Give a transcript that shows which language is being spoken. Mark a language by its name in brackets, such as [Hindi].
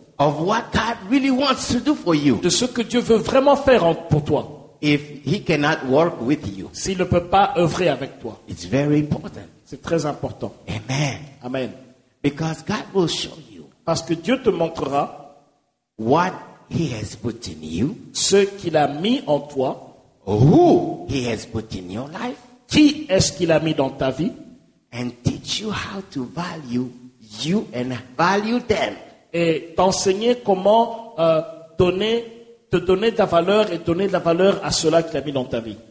[English] Of what God really wants to do for you. [French] De ce que Dieu veut vraiment faire pour toi. [English] If he cannot work with you. [French] S'il ne peut pas œuvrer avec toi. [English] It's very important. [French] C'est très important. Amen. Amen. [English] Because God will show you. [French] Parce que Dieu te montrera. [English] What he has put in you. [French] Ce qu'il a mis en toi. [English] Who he has put in your life. [French] Qui est-ce qu'il a mis dans ta vie. [English] And teach you how to value you and value them. [French] Et t'enseigner comment donner, te donner de la valeur et donner de la valeur à cela qu'il a mis dans ta vie.